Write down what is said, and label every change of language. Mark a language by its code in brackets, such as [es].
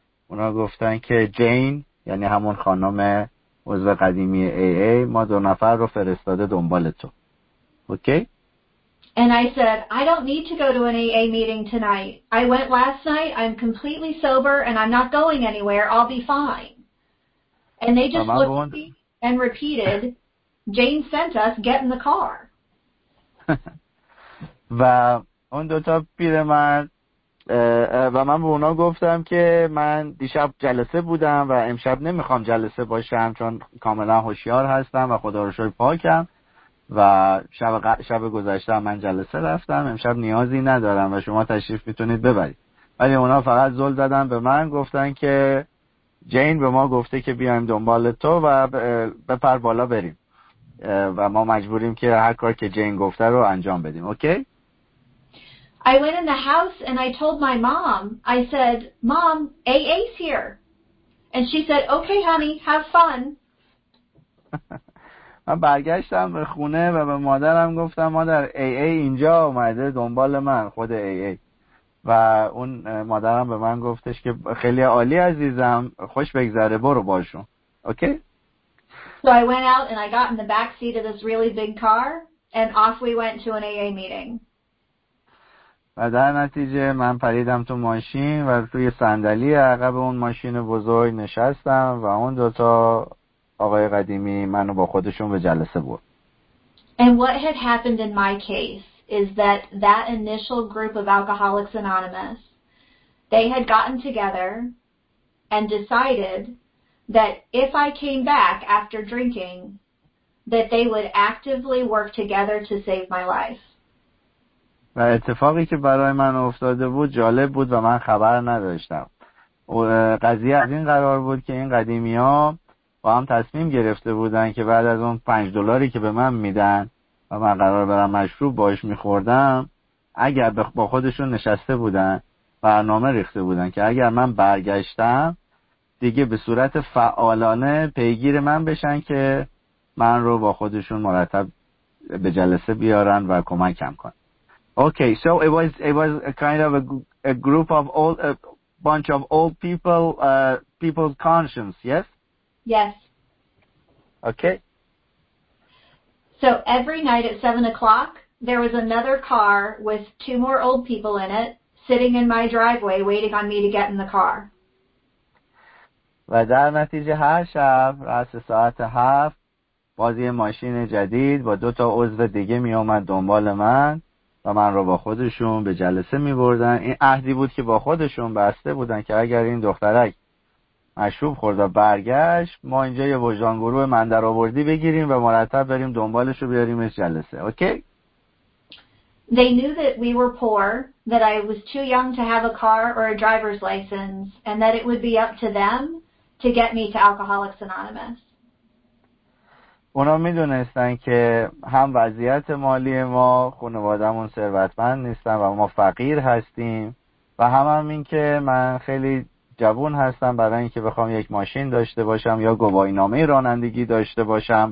[fa] اونا گفتن که جین، یعنی همون خانم عضو قدیمی AA، ما دو نفر رو فرستاده دنبال تو. اوکی؟ [en] And I said, I don't need to go to an AA meeting tonight. I went last night, I'm completely sober, and I'm not going anywhere, I'll be fine. And they just looked at me and repeated, Jane sent us, get in the car. [fa] و اون دوتا پیره من و من به اونا گفتم که من دیشب جلسه بودم و امشب نمیخوام جلسه باشم چون کاملا هوشیار هستم و خدا رو شکر پاکم و شب گذشته من جلسه رفتم، امشب نیازی ندارم و شما تشریف میتونید ببرید. ولی اونا فقط زل زدن به من، گفتن که جین به ما گفته که بیایم دنبال تو و بپر بالا بریم و ما مجبوریم که هر کار که جین گفته رو انجام بدیم. اوکی؟ [en] I went in the house and I told my mom, I said, Mom, AA's here. And she said, okay, honey, have fun. [fa] من برگشتم به خونه و به مادرم گفتم مادر AA اینجا اومده دنبال من، خود AA. و اون مادرم به من گفتش که خیلی عالی عزیزم، خوش بگذره، برو باشون. [en] Okay? So I went out and I got in the back seat of this really big car and off we went to an AA meeting. [fa] و در نتیجه من پریدم تو ماشین و توی صندلی عقب اون ماشین بزرگ نشستم و اون دوتا آقای قدیمی منو با خودشون به جلسه برد. [en] And what had happened in my case is that that initial group of Alcoholics Anonymous, they had gotten together and decided that if I came back after drinking, that they would actively work together to save my life. [fa] و اتفاقی که برای من افتاده بود جالب بود و من خبر نداشتم. قضیه از این قرار بود که این قدیمی ها با هم تصمیم گرفته بودن که بعد از اون $5 که به من میدن و من قرار برم مشروب باش میخوردم، اگر با خودشون نشسته بودن برنامه ریخته بودن که اگر من برگشتم دیگه به صورت فعالانه پیگیر من بشن که من رو با خودشون مرتب به جلسه بیارن و کمکم کنن. [en] Okay, so it was a kind of a group of old, a bunch of old people, people's conscience, yes? Yes. Okay. So every night at 7 o'clock, there was another car with two more old people in it, sitting in my driveway, waiting on me to get in the car. [fa] و در نتیجه هر شب راست ساعت 7 باز یه ماشین جدید با دو تا عضو دیگه می اومد دنبال من و من رو با خودشون به جلسه می بردن. این عهدی بود که با خودشون بسته بودن که اگر این دخترک مشروب خورد و برگشت، ما اینجا یه وجدان گروه من در آوردی بگیریم و مرتب بریم دنبالش رو بیاریمش جلسه. اوکی؟ [en] They knew that we were poor, that I was too young to have a car or a driver's license, and that it would be up to them to get me to Alcoholics Anonymous. [fa] اونا می دونستن که هم وضعیت مالی ما، خانوادمون ثروتمند نیستن و ما فقیر هستیم و هم این که من خیلی جوان هستم برای این که بخوام یک ماشین داشته باشم یا گواهینامه رانندگی داشته باشم.